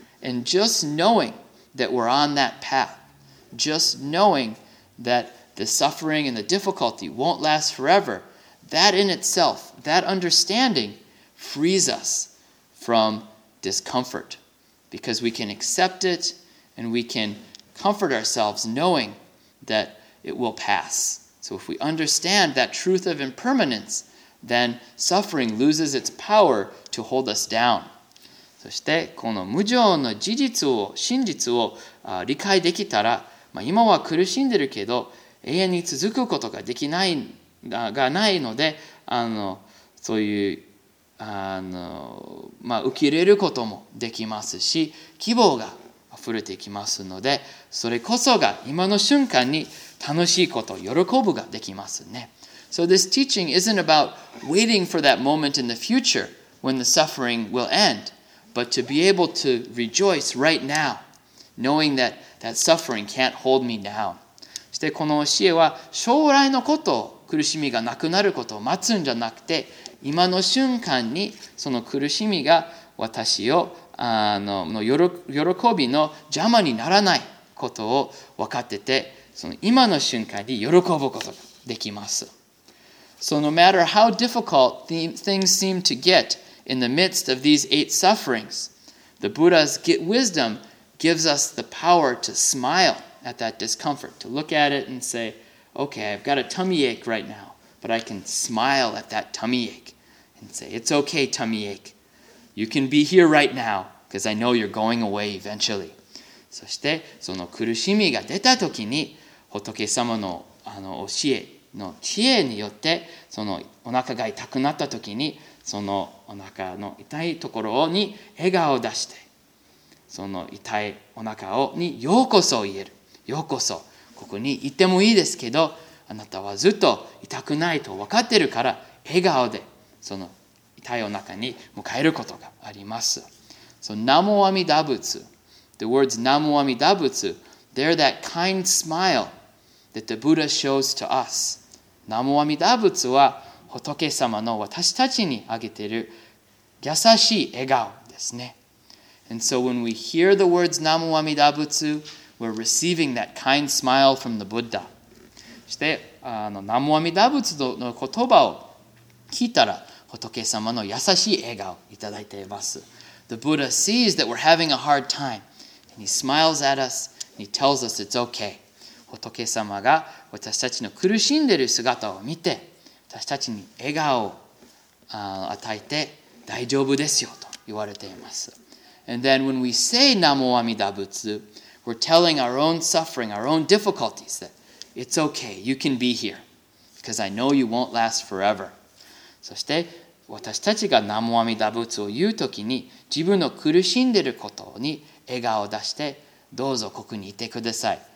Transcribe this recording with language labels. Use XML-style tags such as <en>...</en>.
<en>And just knowing that we're on that path, just knowing that the suffering and the difficulty won't last forever, that in itself, that understanding frees us from discomfort. Because we can accept it and we can comfort ourselves knowing that it will pass. So if we understand that truth of impermanence, then suffering loses its power to hold us down.</en> <ja>そしてこの無常の事実を、真実を理解できたら、まあ、今は苦しんでるけど、永遠に続くことができないがないので、そういう、まあ、受け入れることもできますし、希望が溢れてきますので、それこそが今の瞬間に楽しいこと、喜ぶができますね。</ja> <en>So this teaching isn't about waiting for that moment in the future when the suffering will end, but to be able to rejoice right now, knowing that that suffering can't hold me down.</en> <ja>そしてこの教えは将来のこと、苦しみがなくなることを待つんじゃなくて、今の瞬間にその苦しみが私をの喜びの邪魔にならないことを分かってて、その今の瞬間に喜ぶことができます。</ja> <en>So no matter how difficult things seem to get in the midst of these eight sufferings, the Buddha's wisdom gives us the power to smile at that discomfort, to look at it and say, okay, I've got a tummy ache right now, but I can smile at that tummy ache and say, it's okay, tummy ache. You can be here right now, because I know you're going away eventually.</en> <ja>そしてその苦しみが出た時に仏様の教えの知恵によってそのお腹が痛くなった時にそのお腹の痛いところに笑顔を出してその痛いお腹にようこそ言える。ようこそここに行ってもいいですけどあなたはずっと痛くないと分かってるから笑顔でその体の中に迎えることがあります。</ja> <en>So, Namo Amida Butsu, the words Namo Amida Butsu, they're that kind smile that the Buddha shows to us.</en> <ja>Namo Amida Butsu は仏様の私たちにあげている優しい笑顔ですね。</ja> <en>And so when we hear the words Namu Amida Butsu, we're receiving that kind smile from the Buddha.</en> <ja>そして、南無阿弥陀仏の言葉を聞いたら、仏様の優しい笑顔をいただいています。</ja> <en>The Buddha sees that we're having a hard time, and he smiles at us, and he tells us it's okay.</en> <ja>仏様が私たちの苦しんでいる姿を見て、私たちに笑顔を与えて、大丈夫ですよと言われています。</ja> <en>And then when we say 南無阿弥陀仏、we're telling our own suffering, our own difficulties that it's okay, you can be here, because I know you won't last forever.</en> <ja>そして私たちが南無阿弥陀仏を言うときに自分の苦しんでることに笑顔を出してどうぞここにいてください。</ja>